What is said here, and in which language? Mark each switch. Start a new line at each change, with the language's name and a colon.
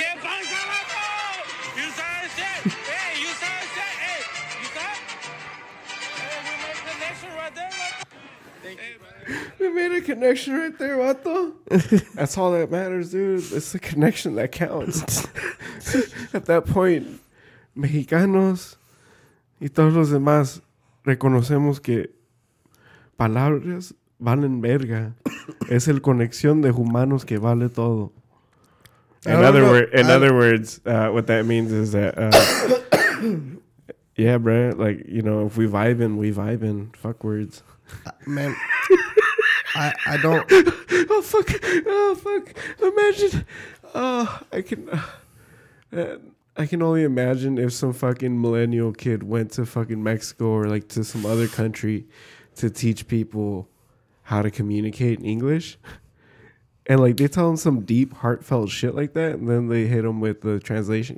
Spanish: ¿Qué pasa, loco?
English: You saw it, shit. Hey, you saw it, shit. Hey, you got it? Hey, we made a connection right there, loco. We made a connection right there, Wato. That's all that matters, dude. It's the connection that counts. At that point,
Spanish: Mexicanos y todos los demás reconocemos que palabras valen verga. Es el conexión de humanos que vale todo.
English: In other words, what that means is that... yeah, bro. Like, you know, if we vibing, we vibing. Fuck words. Man, I don't. Oh fuck! Imagine, I can only imagine if some fucking millennial kid went to fucking Mexico or like to some other country to teach people how to communicate in English, and like they tell them some deep heartfelt shit like that, and then they hit them with the translation.